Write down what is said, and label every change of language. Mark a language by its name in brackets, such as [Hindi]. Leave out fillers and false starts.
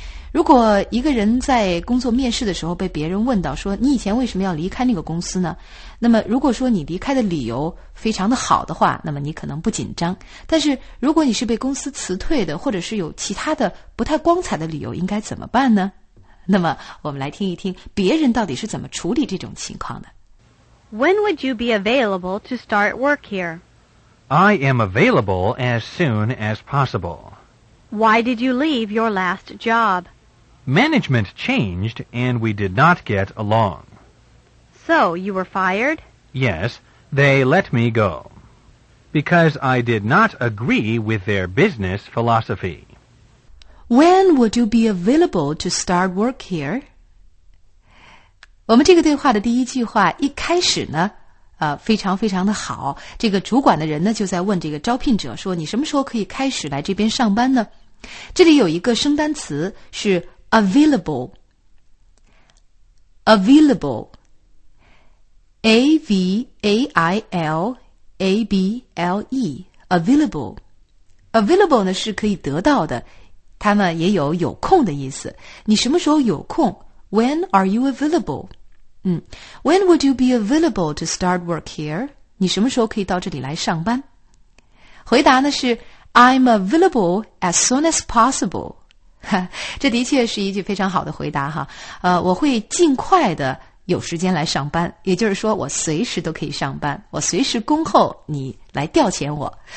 [Chinese] 如果一个人在工作面试的时候被别人问到说你以前为什么要离开那个公司呢，那么如果说你离开的理由非常的好的话，那么你可能不紧张。但是如果你是被公司辞退的，或者是有其他的不太光彩的理由，应该怎么办呢？那么我们来听一听别人到底是怎么处理这种情况的。 [English] When would you be available to start work here? I am available as soon as possible. Why did you leave your last job? Management changed and we did not get along. So you were fired? Yes, they let me go. Because I did not agree with their business philosophy. When would you be available to start work here? [Chinese] 我们这个对话的第一句话一开始呢非常非常的好，这个主管的人呢就在问这个招聘者说，你什么时候可以开始来这边上班呢？这里有一个生单词是 available， available， A-V-A-I-L-A-B-L-E， available， available 呢是可以得到的，他们也有有空的意思，你什么时候有空？ [English] When are you available? When would you be available to start work here? [Chinese] 你什么时候可以到这里来上班？回答呢是 [English] I'm available as soon as possible. [Chinese] 这的确是一句非常好的回答哈。我会尽快的有时间来上班，也就是说我随时都可以上班，我随时恭候你来调遣我。